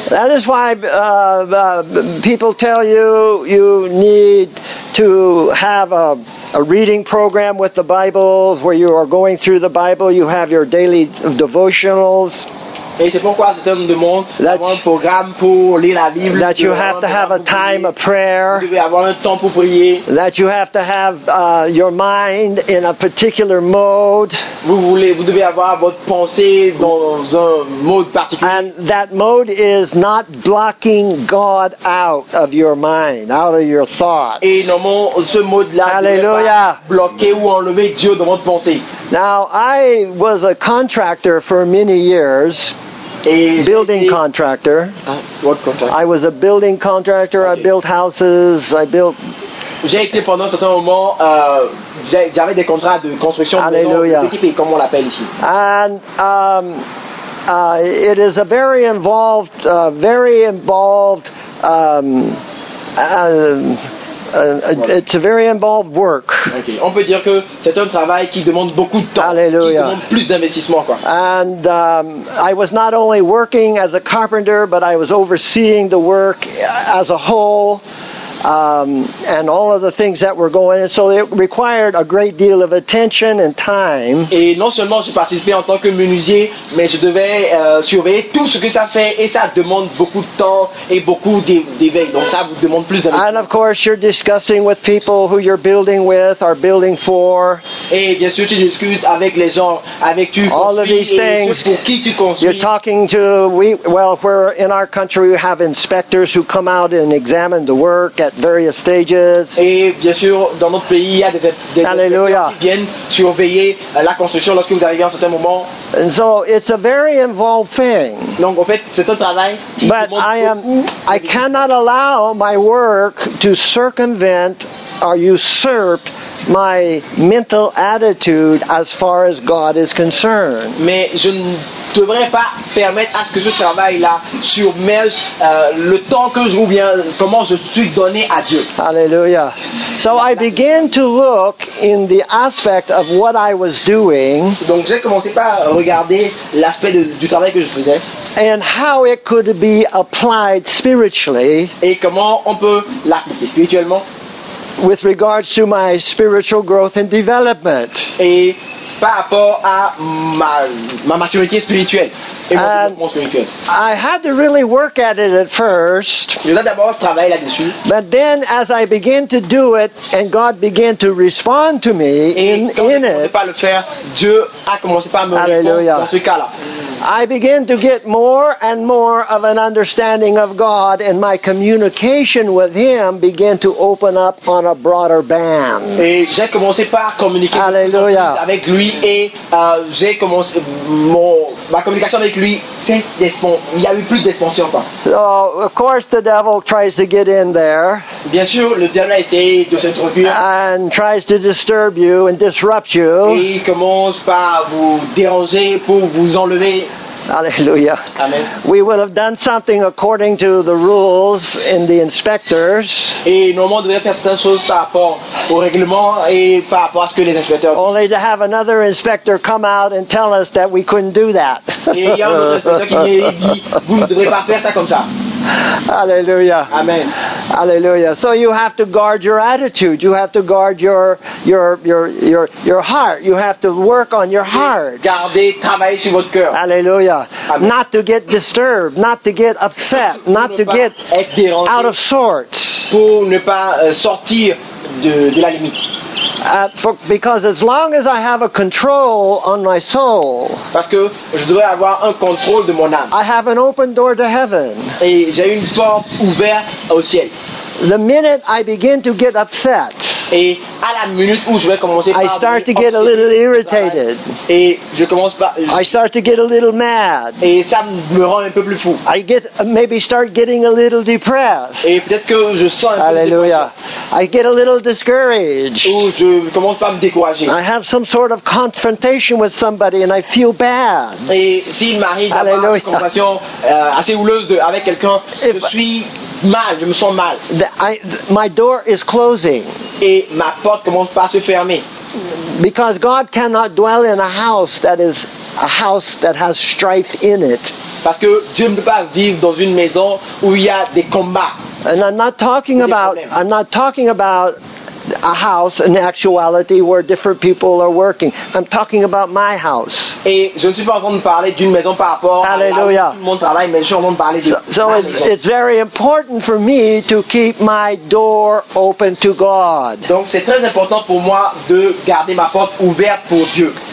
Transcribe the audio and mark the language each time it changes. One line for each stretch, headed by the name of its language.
English: That is why people tell you need to have a reading program with the Bible, where you are going through the Bible, you have your daily devotionals.
French: Et c'est pourquoi certains demandent d'avoir un programme pour lire la Bible.
English: That you have to have a time of prayer.
French: Vous devez avoir un temps pour prier.
English: That you have to have your mind in a particular mode.
French: Vous devez avoir votre pensée dans un mode particulier.
English: And that mode is not blocking God out of your mind, out of your thoughts.
French: Et normalement, ce mode-là ne peut pas bloquer ou enlever Dieu dans votre pensée.
English: Now, I was a contractor for many years. Building contractor. What contractor? I was a building contractor. Okay. I built houses. I built.
French: J'ai été pendant un certain moment. J'avais des contrats de construction de maisons, comme on l'appelle ici.
English: And it is a very involved. It's a very involved work. Okay.
French: On peut dire que c'est un travail qui demande beaucoup de temps. Alléluia. Qui demande plus d'investissement, quoi.
English: And I was not only working as a carpenter, but I was overseeing the work as a whole. And all of the things that were going, and so it required a great deal of attention and time.
French: Et non seulement je participais en tant que menuisier, mais je devais surveiller tout ce que ça fait, et ça demande beaucoup de temps et beaucoup d'éveil. Donc ça vous demande plus d'attention.
English: And of course, you're discussing with people who you're building with or building for.
French: Et bien sûr, tu discutes avec les gens avec qui tu construis.
English: All of these things.
French: Pour qui tu construis.
English: You're talking to we're in our country. We have inspectors who come out and examine the work. At various stages.
French: Et bien sûr, dans notre pays, il y a des Alléluia. Qui viennent surveiller la construction lorsque vous arrivez à un certain moment.
English: And so, it's a very involved thing.
French: Donc, en fait, c'est un travail.
English: But I cannot allow my work to circumvent or usurp my mental attitude as far as God is concerned.
French: Mais je ne devrais pas permettre à ce que ce travail-là submerge le temps que je reviens, comment je suis donné à Dieu. Alléluia.
English: So I began to look in the aspect of what I was doing.
French: Donc j'ai commencé par regarder l'aspect du travail que je faisais.
English: And how it could be applied spiritually.
French: Et comment on peut l'appliquer spirituellement.
English: With regards to my spiritual growth and development.
French: Et par rapport à ma maturité spirituelle.
English: I had to really work at it at first. But then as I began to do it and God began to respond to me in it.
French: Dieu a commencé par me répondre dans ce cas-là.
English: I began to get more and more of an understanding of God and my communication with him began to open up on a broader band.
French: Et j'ai commencé par communiquer Alléluia. Avec lui et j'ai commencé ma communication avec lui. Il y a eu plus d'expansion.
English: So, of course, the devil tries to get in there.
French: Bien sûr, le diable a essayé de s'introduire.
English: And tries to disturb you and disrupt you.
French: Et il commence par vous déranger pour vous enlever. Alléluia. Amen.
English: We would have done something according to the rules in the inspectors.
French: Et normalement, on devrait faire certaines choses par rapport au règlement et par rapport à ce que les inspecteurs.
English: Only to have another inspector come out and tell us that we couldn't do that.
French: Et il y a un autre inspecteur qui dit, vous ne devrez pas faire ça comme ça. Alléluia. Amen.
English: Alléluia. So you have to guard your attitude. You have to guard your heart. You have to work on your heart.
French: Gardez, travaillez sur votre cœur. Alléluia. Amen.
English: Not to get disturbed, not to get upset, not to get out of sorts.
French: Pour ne pas sortir de la limite.
English: Because as long as I have a control on my soul,
French: parce que je dois avoir un contrôle de mon âme.
English: I have an open door to heaven.
French: Et j'ai une porte ouverte au ciel.
English: The minute I begin to get upset,
French: et à la minute où je vais commencer
English: I start to get a little irritated.
French: Et je commence par,
English: I start to get a little mad.
French: Et ça me rend un peu plus fou.
English: I get maybe start getting a little depressed.
French: Et peut-être que je sens un Alléluia. Peu
English: I get a little discouraged.
French: Où je commence par me décourager.
English: I have some sort of confrontation with somebody and I feel bad.
French: Et s'il m'arrive d'avoir une confrontation assez houleuse avec quelqu'un, je me sens mal.
English: My door is closing.
French: Et ma porte commence par se fermer.
English: Because God cannot dwell in a house that is a house that has strife in it.
French: Parce que Dieu ne peut pas vivre dans une maison où il y a des combats.
English: And I'm not talking about a house in actuality where different people are working. I'm talking about my house.
French: Et je ne suis pas en train de parler d'une maison par rapport Alléluia. À tout mon travail, mais je suis en train de parler de
English: So it's very important for me to keep my door open to God.
French: Donc c'est très important pour moi de garder ma porte ouverte pour Dieu.